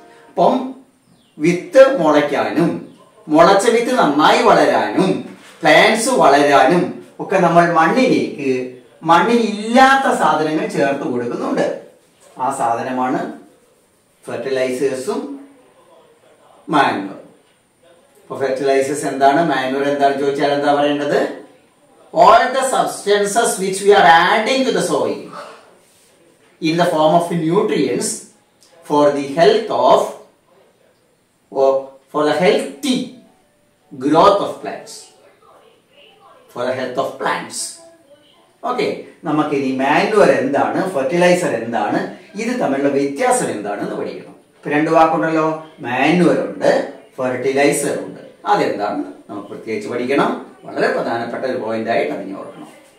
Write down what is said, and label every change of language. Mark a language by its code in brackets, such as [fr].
[ml] അപ്പം വിത്ത് മുളയ്ക്കാനും മുളച്ച വിത്ത് നന്നായി വളരാനും പ്ലാന്റ്സ് വളരാനും ഒക്കെ നമ്മൾ മണ്ണിലേക്ക് മണ്ണിലില്ലാത്ത സാധനങ്ങൾ ചേർത്ത് കൊടുക്കുന്നുണ്ട്. ആ സാധനമാണ് ഫെർട്ടിലൈസേഴ്സും മാനുവർ. അപ്പൊ ഫെർട്ടിലൈസേഴ്സ് എന്താണ്, മാനുവർ എന്താണ് ചോദിച്ചാൽ എന്താ പറയേണ്ടത്? [en] All the substances which we are adding to the soil in the form of nutrients for the health of or for the healthy growth of plants. For the health of plants. [ml] Okay, നമുക്ക് ഇനി manoeuvre എന്താണ്, fertiliser എന്താണ്, ഇത് തമ്മിലുള്ള വ്യത്യാസം എന്താണെന്ന് പഠിക്കണം. ഇപ്പൊ രണ്ട് വാക്കുണ്ടല്ലോ, മാനുവർ ഉണ്ട്, ഫെർട്ടിലൈസർ ഉണ്ട്. അതെന്താണ് നമുക്ക് പ്രത്യേകിച്ച് പഠിക്കണം. വളരെ പ്രധാനപ്പെട്ട ഒരു പോയിന്റ് ആയിട്ട് അതിനെ ഓർക്കണം.